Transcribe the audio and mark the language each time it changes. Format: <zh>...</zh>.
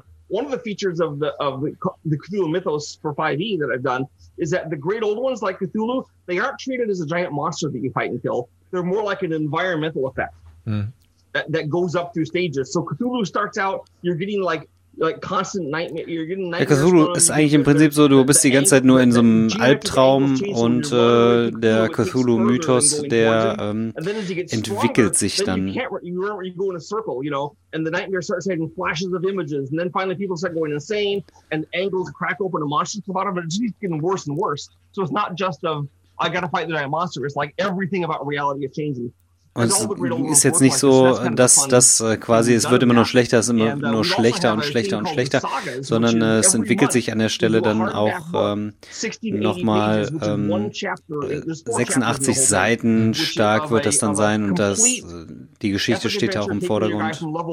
<en>One of the features of the Cthulhu Mythos for 5e that I've done is that the great old ones like Cthulhu, they aren't treated as a giant monster that you fight and kill. They're more like an environmental effect that goes up through stages. So Cthulhu starts out, you're getting like constant nightmare. You're getting nightmares.</en> <de>Cthulhu ist eigentlich im Prinzip so, du bist die ganze Zeit nur in so einem Albtraum und der Cthulhu Mythos, der entwickelt sich dann.</de> <en>You go in a circle, you know, and the nightmare starts having flashes of images and then finally people start going insane and angles crack open and monsters come out of it. It's just getting worse and worse. So it's not just of I gotta fight the giant monster. It's like everything about reality is changing.</en> <de>Und es ist jetzt nicht so, dass das quasi, es wird immer nur schlechter, es ist immer nur schlechter und schlechter und schlechter, sondern es entwickelt sich an der Stelle dann auch nochmal 86 Seiten stark wird das dann sein und das, die Geschichte steht ja auch im Vordergrund.</de>